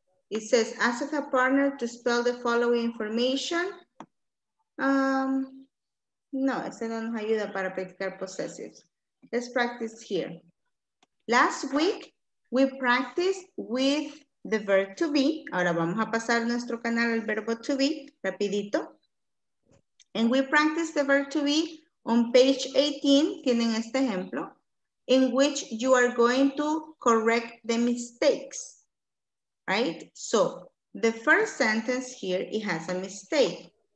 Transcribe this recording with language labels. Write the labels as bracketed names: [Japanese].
[English] It says, ask a partner to spell the following information. [Spanish] No, ese no nos ayuda para practicar possessives. [English] Let's practice here. Last week, we practiced with the verb to be. [Spanish] Ahora vamos a pasar a nuestro canal al verbo to be, rapidito. [English] And we practiced the verb to be on page 18, [Spanish] tienen este ejemplo, [English] in which you are going to correct the mistakes, right? So the first sentence here, it has a mistake.